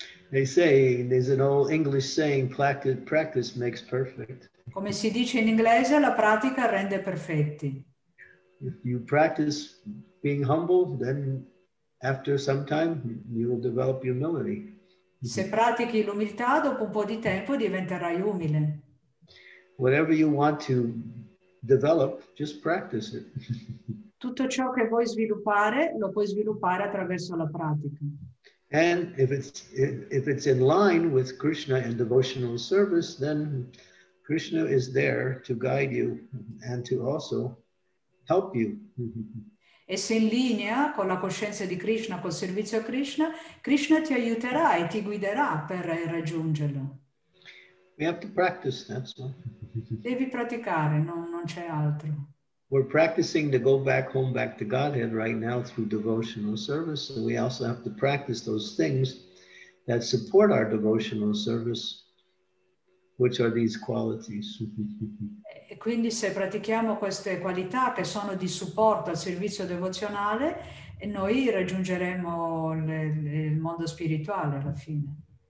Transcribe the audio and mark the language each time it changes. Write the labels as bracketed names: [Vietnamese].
[English] They say, there's an old English saying, practice makes perfect. [Italian] Come si dice in inglese, la pratica rende perfetti. [English] If you practice being humble, then after some time, you will develop humility. [Italian] Se pratichi l'umiltà, dopo un po' di tempo diventerai umile. [English] Whatever you want to develop, just practice it. [Italian] Tutto ciò che vuoi sviluppare, lo puoi sviluppare attraverso la pratica. [English] And if it's in line with Krishna and devotional service, then Krishna is there to guide you and to also help you. [Italian] E se in linea con la coscienza di Krishna, col servizio a Krishna, Krishna ti aiuterà e ti guiderà per raggiungerlo. [English] We have to practice, that's all. [Italian] Devi praticare, non c'è altro. [English] We're practicing to go back home, back to Godhead right now through devotional service. And we also have to practice those things that support our devotional service, which are these qualities. [Italian] E quindi se pratichiamo queste qualità che sono di supporto al servizio devozionale, noi raggiungeremo il mondo spirituale alla fine.